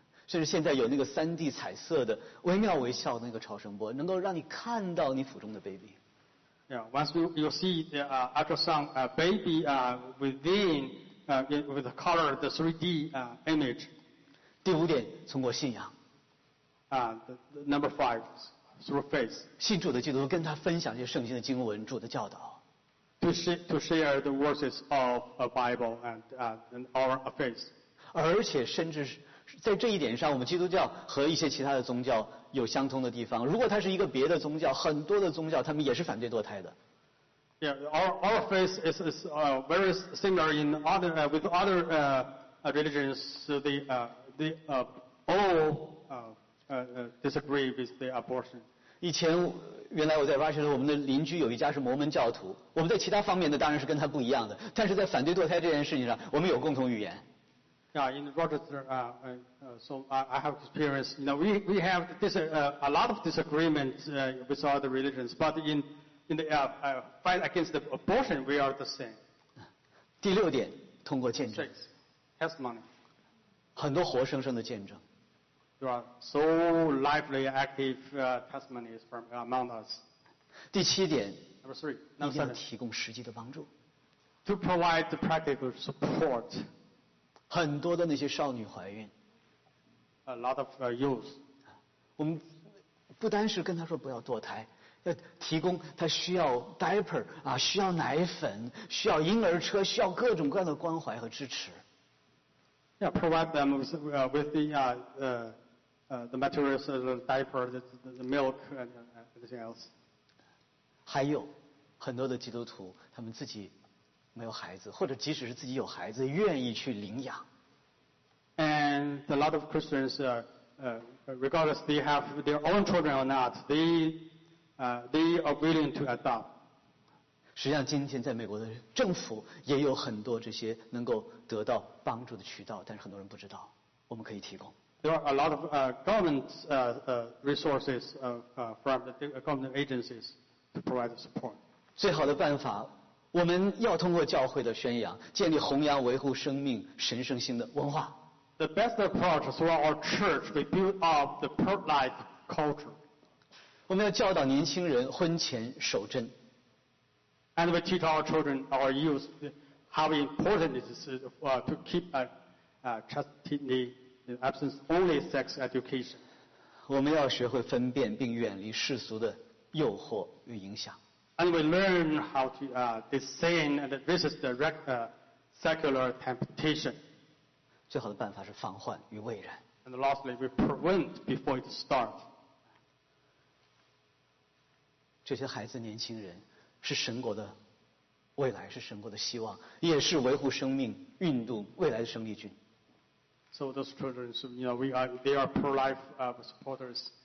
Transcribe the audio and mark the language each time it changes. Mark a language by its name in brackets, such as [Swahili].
[Chinese] 甚至现在有那个 3D 彩色的微妙微笑的那个超声波，能够让你看到你腹中的 baby。 [English] Yeah, once you see the ultrasound baby within with the color the 3D image. [Chinese] 第五点，通过信仰。 [English] The number five through faith. [Chinese] 信主的基督徒跟他分享这些圣经的经文、主的教导。 [English] To share the verses of a Bible and our faith. [Chinese] 而且甚至在这一点上，我们基督教和一些其他的宗教有相通的地方。如果它是一个别的宗教，很多的宗教他们也是反对堕胎的。 [English] Yeah, our faith is very similar in other with other religions. So they all disagree with the abortion. [Chinese] 以前原来我在巴西的时候，我们的邻居有一家是摩门教徒。我们在其他方面的当然是跟他不一样的，但是在反对堕胎这件事情上，我们有共同语言。 [English] Yeah, in Rochester, I have experience. You know, we have a lot of disagreements with other religions, but in the fight against the abortion, we are the same. [Chinese] 第六点，通过见证。 [English] Testimony. [Chinese] 很多活生生的见证。 [English] There are so lively, active testimonies from among us. [Chinese] 第七点。 [English] Number three. Number seven. [Chinese] 提供实际的帮助。 [English] To provide the practical support. [Chinese] 很多的那些少女怀孕。 [English] A lot of youth. [Chinese] 我们不单是跟她说不要堕胎，要提供她需要 diaper 啊，需要奶粉，需要婴儿车，需要各种各样的关怀和支持。 [English] Yeah, provide them with the materials, the diaper, the milk, and everything else. [Chinese] 还有很多的基督徒，他们自己没有孩子，或者即使是自己有孩子，愿意去领养。 [English] And a lot of Christians, regardless they have their own children or not, they are willing to adopt. [Chinese] 实际上，今天在美国的政府也有很多这些能够得到帮助的渠道，但是很多人不知道，我们可以提供。 [English] There are a lot of government resources from the government agencies to provide the support. [Chinese] 最好的办法。我们要通过教会的宣扬，建立弘扬维护生命神圣性的文化。 [English] The best approach is through our church to build up the pro-life culture. [Chinese] 我们要教导年轻人婚前守贞。 [English] And we teach our children, our youth, how important it is to keep a chastity in absence only sex education. [Chinese] 我们要学会分辨并远离世俗的诱惑与影响。 [English] And we learn how to discern and resist the secular temptation. [Chinese] 最好的办法是防患于未然。 [English] And lastly, we prevent before it starts. [Chinese] 这些孩子、年轻人是神国的未来，是神国的希望，也是维护生命运动未来的生力军。 [English] So those children, so, you know, they are pro-life supporters.